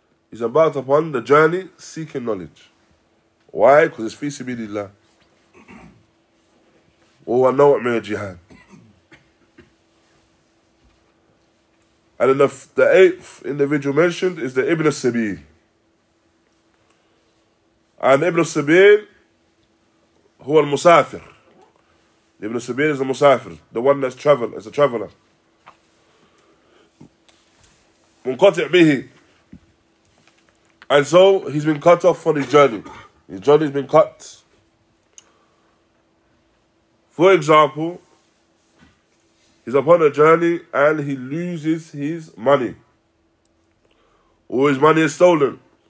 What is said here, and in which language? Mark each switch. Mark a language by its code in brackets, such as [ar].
[en] He's embarked upon the journey seeking knowledge. Why? Because it's fi sabilillah. [ar] وهو نوع من الجهاد. [en] And then the eighth individual mentioned is the Ibn al-Sabil. And Ibn al-Sabil, [ar] هو المسافر. [en] Ibn al-Sabil is the musafir, the one that's traveling, is a traveler. [ar] منقطع به. [en] And so he's been cut off from his journey. His journey's been cut. For example, he's upon a journey and he loses his money, or his money is stolen.